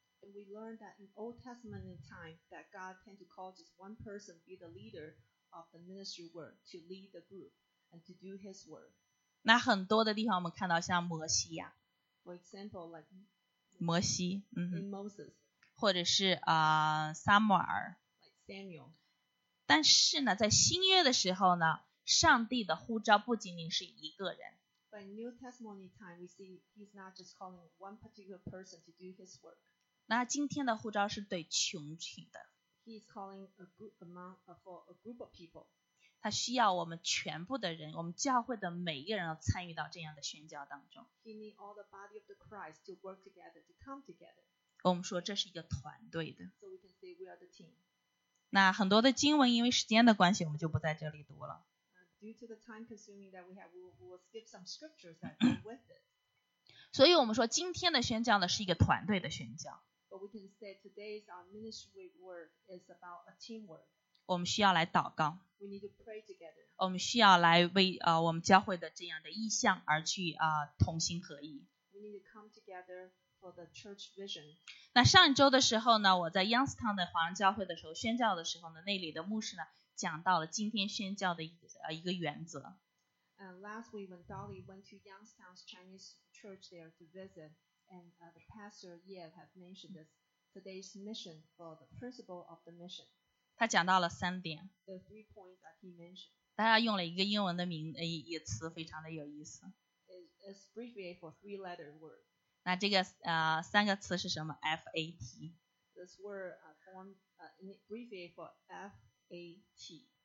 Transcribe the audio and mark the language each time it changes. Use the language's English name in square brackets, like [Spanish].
[English] We learned that in Old Testament time that God tend to call just one person be the leader of the ministry work to lead the group and to do his work. [Chinese] 那很多的地方我们看到像摩西呀。 [English] For example, like [Chinese] 摩西， [English] in Moses. [Chinese] 或者是撒母耳。 [English] Like Samuel. [Chinese] 但是呢，在新约的时候呢，上帝的呼召不仅仅是一个人。 [English] But in New Testament time, we see he's not just calling one particular person to do his work. [Chinese] 那今天的呼召是对群体的。 [English] He is calling a group among for a group of people. [Chinese] 他需要我们全部的人，我们教会的每一个人要参与到这样的宣教当中。 [English] He need all the body of the Christ to work together to come together. [Chinese] 我们说这是一个团队的。 [English] So we can say we are the team. [Chinese] 那很多的经文因为时间的关系，我们就不在这里读了。 [English] Due to the time consuming that we have, we will skip some scriptures that go with it. [Chinese] 所以我们说今天的宣教呢是一个团队的宣教。 [English] But we can say today's our ministry work is about a teamwork. [Chinese] 我们需要来祷告。 [English] We need to pray together. [Chinese] 我们需要来为我们教会的这样的意向而去同心合意。 [English] We need to come together for the church vision. [Chinese] 那上一周的时候呢，我在 Youngstown 的华人教会的时候宣教的时候呢，那里的牧师呢讲到了今天宣教的一个原则。 [English] Last week when Dolly went to Youngstown's Chinese church there to visit. And the pastor Yev has mentioned this today's mission for the principle of the mission. [Chinese] 他讲到了三点。 [English] The three points that he mentioned. [Chinese] 大家用了一个英文的名一词，非常的有意思。 [English] It's abbreviated for three-letter word. [Chinese] 那这个三个词是什么 ？FAT. [English] This word formed abbreviated for FAT.